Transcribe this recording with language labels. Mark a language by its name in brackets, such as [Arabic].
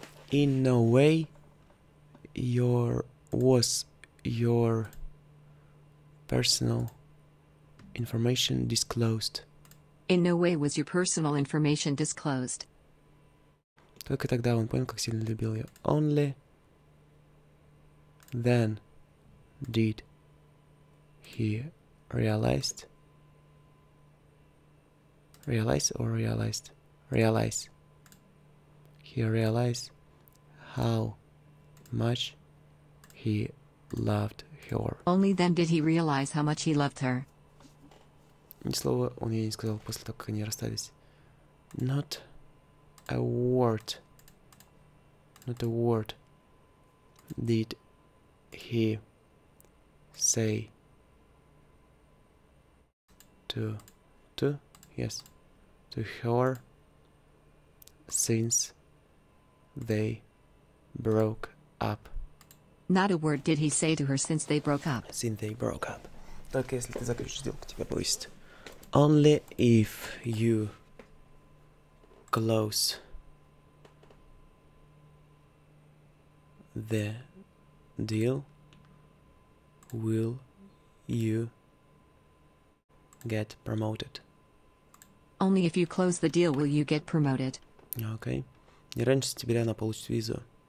[English] In no way was your personal information disclosed. In no way was your personal information disclosed. [Russian] Только тогда он понял, как сильно любил её. [English] Only then did he realize. He realized how much he loved her. Only then did he realize how much he loved her. [Russian] Ни слова он ей не сказал после того, как они расстались. [English] Not a word. Not a word did he say to her since they broke up. Not a word did he say to her since they broke up. [Russian] Только если ты закончишь сделку, тебя повысит. [English] Only if you close the deal will you get promoted. Only if you close the deal will you get promoted. Okay. [Russian] Не раньше сентября она получит визу.